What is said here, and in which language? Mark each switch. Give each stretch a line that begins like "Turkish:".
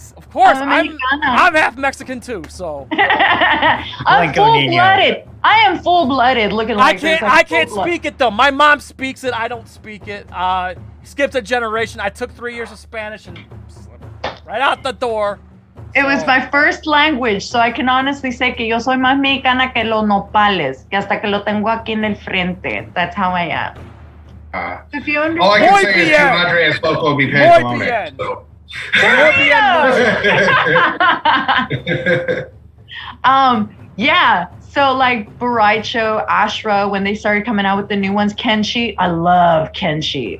English: Of course, I'm half Mexican too, so. I am full-blooded looking like this. I can't speak it though. My mom speaks it, I don't speak it. Skipped a generation. I took 3 years of Spanish and right out the door. It was my first language, so I can honestly say
Spanish: que yo soy más mexicana que los nopales, que hasta que lo tengo aquí en el frente.
English: That's how I am. So like Borracho, Ashra, when they started coming out with the new ones, Kenshi, I love Kenshi.